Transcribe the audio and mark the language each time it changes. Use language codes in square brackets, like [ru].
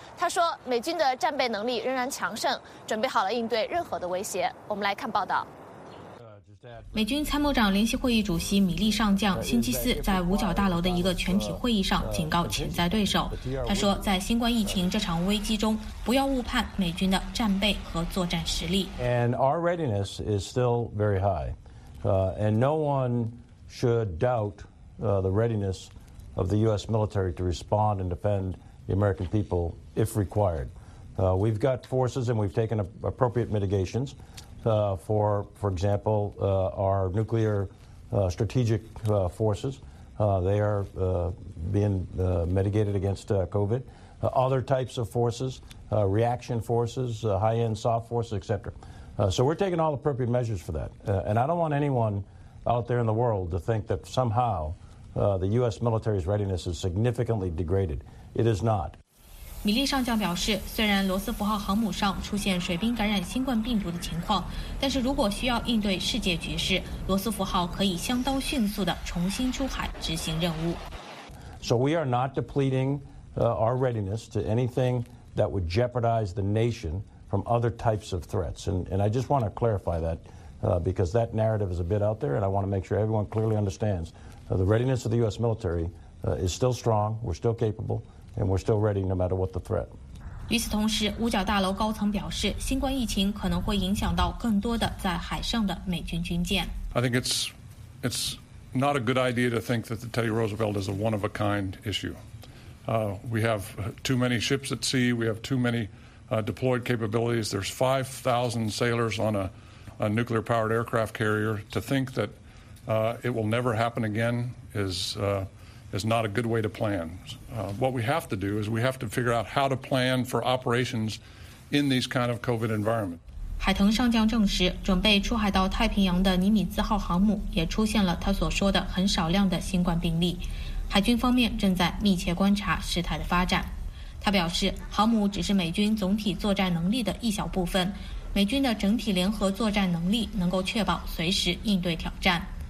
[zh] 他说，美军的战备能力仍然强盛，准备好了应对任何的威胁。我们来看报道。美军参谋长联席会议主席米利上将星期四在五角大楼的一个全体会议上警告潜在对手，他说在新冠疫情这场危机中，不要误判美军的战备和作战实力。 [en] And our readiness is still very high, and no one should doubt the readiness of the U.S. military to respond and defend the American people if required. We've got forces and we've taken appropriate mitigationsfor example, our nuclear strategic forces, they are being mitigated against COVID. other types of forces, reaction forces, high-end soft forces, etc. So we're taking all appropriate measures for that. And I don't want anyone out there in the world to think that somehow the U.S. military's readiness is significantly degraded. It is not. [zh] 米利上将表示，虽然罗斯福号航母上出现水兵感染新冠病毒的情况，但是如果需要应对世界局势，罗斯福号可以相当迅速地重新出海执行任务。 [en] So we are not depleting our readiness to anything that would jeopardize the nation from other types of threats. And I just want to clarify that because that narrative is a bit out there, and I want to make sure everyone clearly understands the readiness of the U.S. military is still strong. We're still capable. And we're still ready, no matter what the threat. [zh] 与此同时，五角大楼高层表示，新冠疫情可能会影响到更多的在海上的美军军舰。 [en] I think it's not a good idea to think that the Teddy Roosevelt is a one of a kind issue. We have too many ships at sea. We have too many deployed capabilities. There's 5,000 sailors on a nuclear powered aircraft carrier. To think that it will never happen again is not a good way to plan. What we have to do is we have to figure out how to plan for operations in these kind of COVID environment. [zh] 海腾上将证实，准备出海到太平洋的尼米兹号航母也出现了他所说的很少量的新冠病例。海军方面正在密切观察事态的发展。他表示，航母只是美军总体作战能力的一小部分，美军的整体联合作战能力能够确保随时应对挑战。